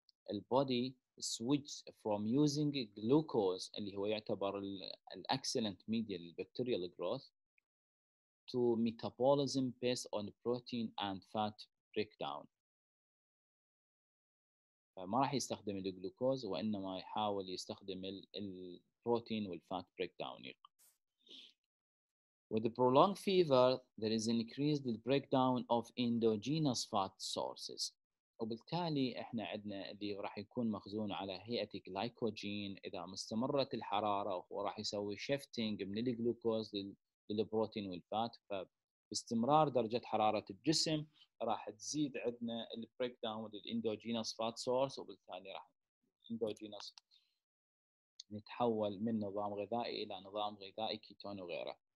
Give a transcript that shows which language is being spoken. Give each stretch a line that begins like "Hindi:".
Arabic: البودي
English: switch from using glucose
Arabic: اللي هو يعتبر ال
English: excellent media للبكتيريال growth to metabolism based on protein and fat breakdown.
Arabic: فما راح يستخدم الجلوكوز وإنما يحاول يستخدم البروتين والفات breakdown.
English: With the prolonged fever, there is an increased breakdown of endogenous fat sources.
Arabic: وبالتالي احنا عندنا اللي راح يكون مخزون على هيئة جلايكوجين اذا مستمرت الحرارة وراح يسوي شيفتينج من الجلوكوز للبروتين والفات فباستمرار درجة حرارة الجسم راح تزيد عندنا البريكداون للاندوجينوس فات سورس وبالتالي راح الاندوجينوس نتحول من نظام غذائي الى نظام غذائي كيتون وغيره.